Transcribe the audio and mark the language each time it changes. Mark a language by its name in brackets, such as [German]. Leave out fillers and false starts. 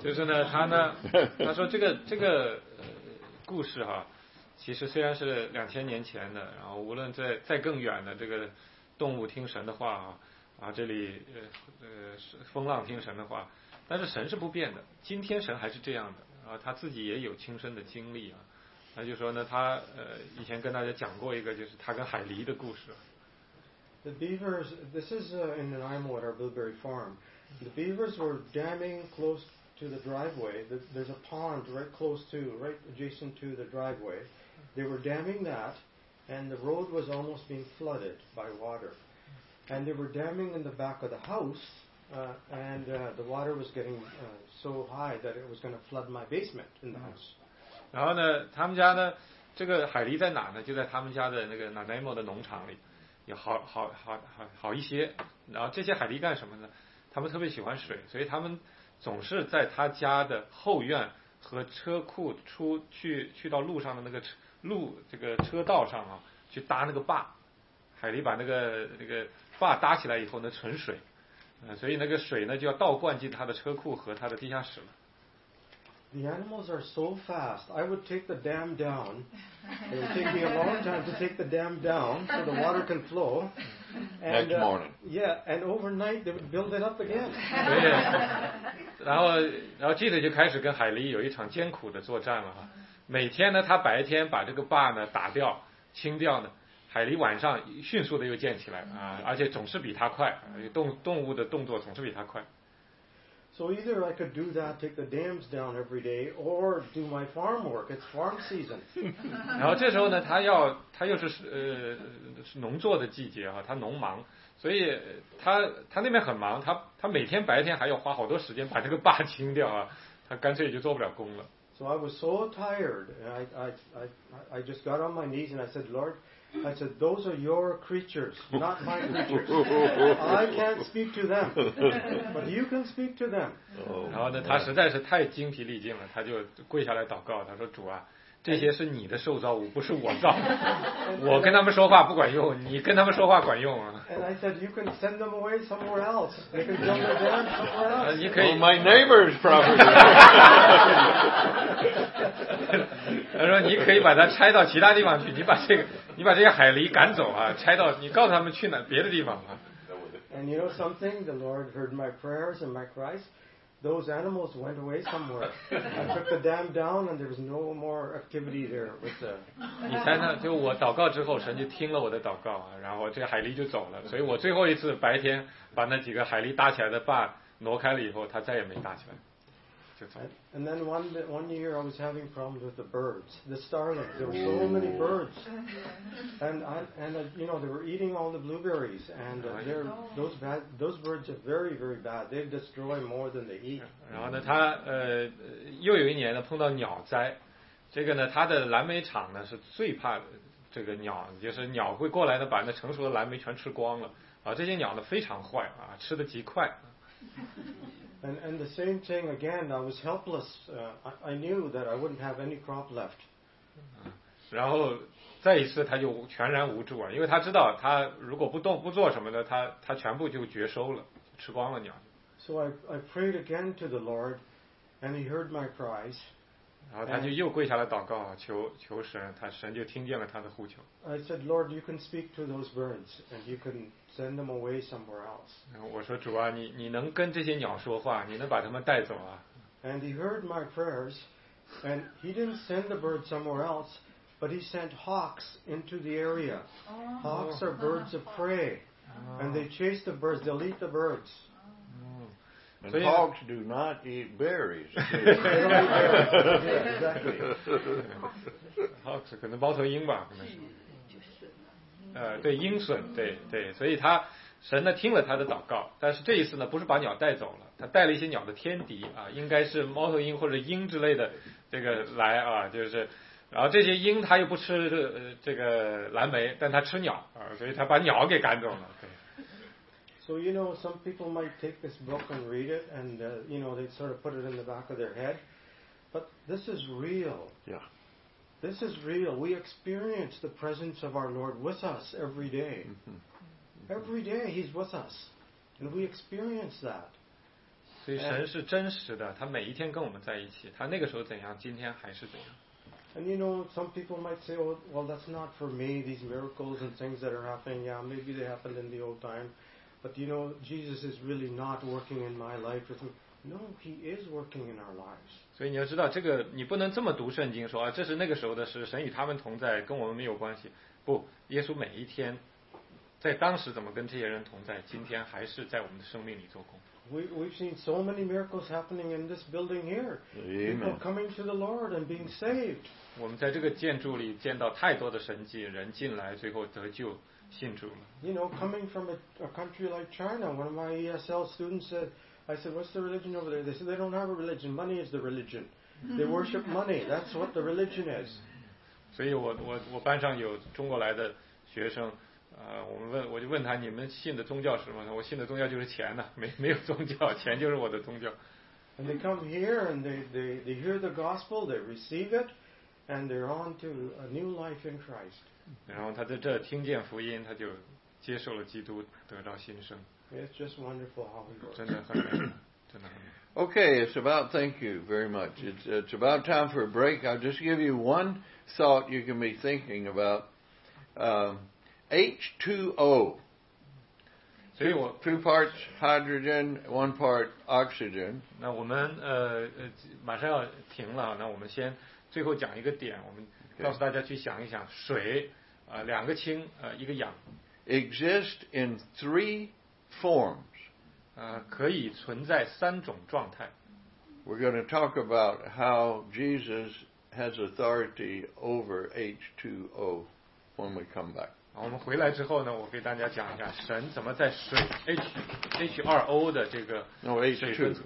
[Chinese] 就是呢，他呢，他说这个故事哈，其实虽然是2000年前的，然后无论再更远的这个。动物听神的话啊，这里风浪听神的话，但是神是不变的，今天神还是这样的啊，他自己也有亲身的经历啊，那就说呢，他以前跟大家讲过一个，就是他跟海狸的故事。 [English] The beavers, this is in an I'm at our blueberry farm. The beavers were damming close to the driveway. There's a pond right close to, right adjacent to the driveway. They were damming that, and the road was almost being flooded by water. And they were damming in the back of the house, and the water was getting so high that it was going to flood my basement in the house. [Chinese] 然后呢，他们家呢，这个海狸在哪呢？就在他们家的那个 Nanaimo 的农场里，有好一些。然后这些海狸干什么呢？他们特别喜欢水，所以他们总是在他家的后院和车库出去到路上的那个车道上啊，去搭那个坝。海狸把那个坝搭起来以后呢，存水，所以那个水呢就要倒灌进他的车库和他的地下室了。 [English] The animals are so fast. I would take the dam down. It would take me a long time to take the dam down so the water can flow. And, next morning. Yeah, and overnight they would build it up again. [Chinese] 对。然后记者就开始跟海狸有一场艰苦的作战了哈。每天呢，他白天把这个坝呢打掉、清掉呢，海狸晚上迅速的又建起来啊，而且总是比他快，动物的动作总是比他快。 [English] So either I could do that, take the dams down every day, or do my farm work. It's farm season. [Chinese] 然后这时候呢，他又是农作的季节哈，他农忙，所以他那边很忙，他每天白天还要花好多时间把这个坝清掉啊，他干脆也就做不了工了。 [English] So I was so tired, and I just got on my knees and I said, Lord. I said, those are your creatures, not my creatures. I can't speak to them, but you can speak to them. [Chinese] 然后呢，他实在是太精疲力尽了，他就跪下来祷告，他说：“主啊，这些是你的受造物，不是我造。我跟他们说话不管用，你跟他们说话管用啊。” [English] And I said, you can send them away somewhere else. They can jump them down somewhere else. [Chinese] 你可以。 [English] My neighbor's property. [Chinese] 他说：“你可以把它拆到其他地方去，你把这些海狸赶走啊，拆到你告诉他们去哪别的地方啊。” [English] And you know something? The Lord heard my prayers and my cries. Those animals went away somewhere. I took the dam down, and there was no more activity there with the. [Chinese] 你猜呢？就我祷告之后，神就听了我的祷告，然后这海狸就走了。所以我最后一次白天把那几个海狸搭起来的坝挪开了以后，它再也没搭起来。 [English] And then one year I was having problems with the birds, the starlings. There were so many birds, and they were eating all the blueberries. And those birds are very very bad. They destroy more than they eat. [Chinese] 然后呢，他又有一年呢碰到鸟灾，这个呢他的蓝莓厂呢是最怕这个鸟，就是鸟会过来呢把那成熟的蓝莓全吃光了。啊，这些鸟呢非常坏啊，吃得极快。 [English] And the same thing again. I was helpless. I knew that I wouldn't have any crop left. [Chinese] 然后再一次他就全然无助啊，因为他知道他如果不动不做什么的，他全部就绝收了，吃光了鸟。 [English] So I prayed again to the Lord, and He heard my cries. [Chinese] 然后他就又跪下来祷告，求神，他神就听见了他的呼求。 [English] I said, Lord, you can speak to those birds, and you can. Send them away somewhere else. [Chinese] 我说主啊，你能跟这些鸟说话，你能把它们带走啊。 [English] And he heard my prayers, and he didn't send the birds somewhere else, but he sent hawks into the area. Hawks are birds of prey, and they chase the birds. They'll eat the birds. And hawks do not eat berries. Exactly. [Chinese] Hawks 可能猫头鹰吧，可能是。对鹰隼，对，所以他神呢听了他的祷告，但是这一次呢不是把鸟带走了，他带了一些鸟的天敌啊，应该是猫头鹰或者鹰之类的这个来啊，就是，然后这些鹰他又不吃这个蓝莓，但他吃鸟啊，所以他把鸟给赶走了。对。 [English] So you know some people might take this book and read it and you know they sort of put it in the back of their head, but this is real. Yeah. This is real. We experience the presence of our Lord with us every day. Mm-hmm. Every day He's with us. And we experience that. [Chinese] 所以神是真实的，他每一天跟我们在一起，他那个时候怎样，今天还是怎样。 [English] And you know, some people might say, well, that's not for me, these miracles and things that are happening. Yeah, maybe they happened in the old time. But you know, Jesus is really not working in my life with me. No, He is working in our lives. [Chinese] 所以你要知道，这个你不能这么读圣经说啊，这是那个时候的事，神与他们同在，跟我们没有关系。不，耶稣每一天在当时怎么跟这些人同在，今天还是在我们的生命里做工。 [English] We've seen so many miracles happening in this building here. People coming to the Lord and being saved. [Chinese] 我们在这个建筑里见到太多的神迹，人进来最后得救信主了。 [English] You know, coming from a country like China, one of my ESL students said, I said, what's the religion over there? They said, they don't have a religion. Money is the religion. They worship money. That's what the religion is. [Chinese] 所以我班上有中国来的学生。我就问他，你们信的宗教是什么？我信的宗教就是钱呢，没有宗教，钱就是我的宗教。 [English] And they come here and they hear the gospel, they receive it, and they're on to a new life in Christ. [Chinese] 然后他在这听见福音，他就接受了基督，得到新生。 [English] It's just wonderful how we work. [Chinese] 真的很美，真的很美。 [English] Okay, it's about, thank you very much. It's about time for a break. I'll just give you one thought you can be thinking about. H2O. Two parts hydrogen, one part oxygen. [Chinese] 那我们马上要停了，那我们先最后讲一个点，我们告诉大家去想一想，水两个氢一个氧。 [English] Exist in three forms. [Chinese] 可以存在三种状态。 [English] We're going to talk about how Jesus has authority over H2O when we come back. [Chinese] 我们回来之后呢，我给大家讲一下神怎么在水 H2O 的这个水分子